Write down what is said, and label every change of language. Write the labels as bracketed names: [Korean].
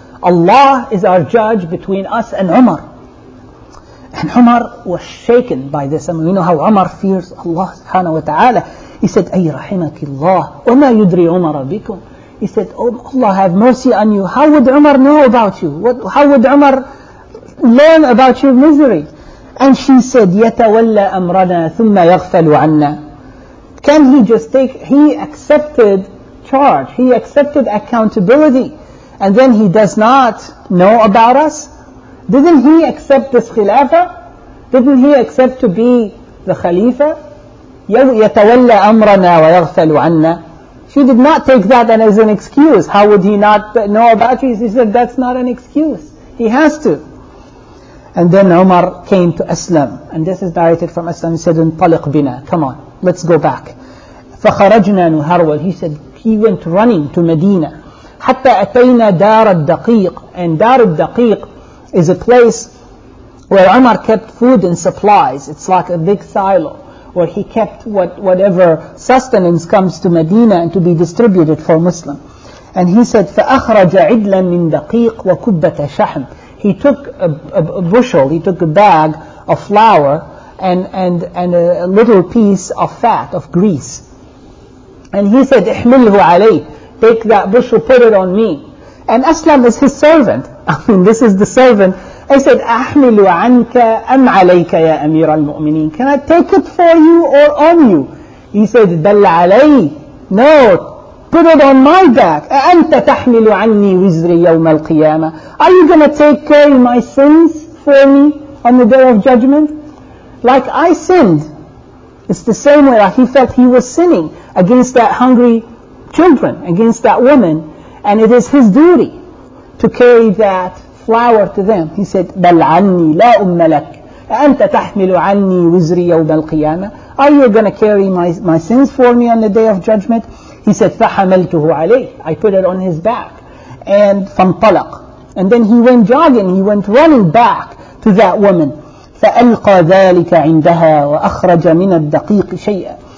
[English] Allah is our judge between us and Umar. And Umar was shaken by this. I mean, you know how Umar fears Allah subhanahu wa ta'ala. He said, [Arabic] Ay rahimakillah, wa ma yudri Umar abikum. [English] He said, Oh Allah, have mercy on you. How would Umar know about you? How would Umar learn about your misery? And she said, [Arabic] يَتَوَلَّ أَمْرَنَا ثُمَّ يَغْفَلُ عَنَّا. [English] Can he just take, he accepted charge, he accepted accountability, and then he does not know about us? Didn't he accept this khilafa? Didn't he accept to be the khalifa? [Arabic] يَتَوَلَّ أَمْرَنَا وَيَغْفَلُ عَنَّا. [English] She did not take that as an excuse. How would he not know about you? He said, that's not an excuse. He has to. And then Umar came to Aslam, and this is narrated from Aslam. He said, [Arabic] "Untaliq bina, [English] come on, let's go back." [Arabic] فَخَرَجْنَا نُهَرْوَلْ. [English] He said, he went running to Medina. [Arabic] حَتَّى أَتَيْنَا دَارَ الدَّقِيقِ. [English] And Dar al-Daqiq is a place where Umar kept food and supplies. It's like a big silo where he kept whatever sustenance comes to Medina and to be distributed for Muslim. And he said, [Arabic] فَأَخْرَجَ عِدْلًا مِنْ دَقِيقِ وَكُبَّةَ شَحْمٍ. [English] He took a bushel, he took a bag of flour and a little piece of fat, of grease. And he said, [Arabic] احمله علي, [English] take that bushel, put it on me. And Aslam is his servant. I mean, this is the servant. I said, [Arabic] احمل عنك أم عليك يا أمير المؤمنين. [English] Can I take it for you or on you? He said, [Arabic] بل علي. [English] No, put it on my back. [Arabic] أنت تحمل عني وزري يوم القيامة. [English] Are you going to take care of my sins for me on the Day of Judgment? like I sinned. It's the same way that he felt he was sinning against that hungry children, against that woman. And it is his duty to carry that flower to them. [Arabic] He said, بَلْ عَنِّي لَا أُمَّ لَكَ أَنْتَ تَحْمِلُ عَنِّي وِزْرِي يَوْمَ الْقِيَامَةِ. [English] Are you going to carry my sins for me on the day of judgment? He said, [Arabic] فَحَمَلْتُهُ عَلَيْهِ. [English] I put it on his back. And [Arabic] فَانْطَلَقَ. [English] And then he went jogging, he went running back to that woman. [Arabic] فَأَلْقَى ذَٰلِكَ عِنْدَهَا وَأَخْرَجَ مِنَ الدَّقِيقِ شَيْئًا.